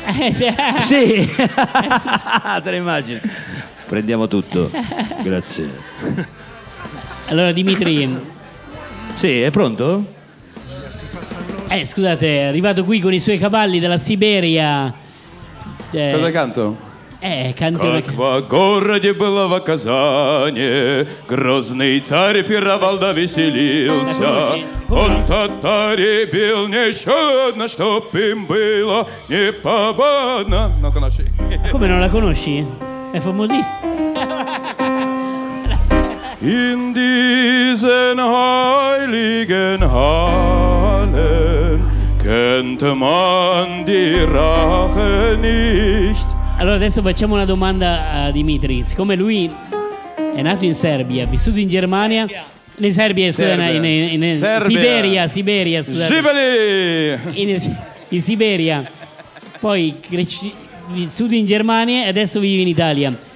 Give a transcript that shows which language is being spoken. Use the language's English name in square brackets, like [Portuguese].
[Italian] sì, te lo immagino, prendiamo tutto, grazie. Allora, Dimitri, sì, è pronto? Scusate, è arrivato qui con i suoi cavalli dalla Siberia. Cosa canto? Canto. [Russian] Как во городе было в Казани, грозный царь пировал да веселился. Он татари бил, не щадно, чтоб им было не повадно. [Italian] Non conosci? Come non la conosci? È famosissima. [German] In diesen heiligen Hallen kennt man die Rache nicht. [Italian] Allora, adesso facciamo una domanda a Dimitri. Siccome lui è nato in Serbia, ha vissuto in Germania. In Serbia, scusate, in Siberia. Siberia, scusate. Sibeli! In Siberia. Poi vissuto in Germania e adesso vivi in Italia.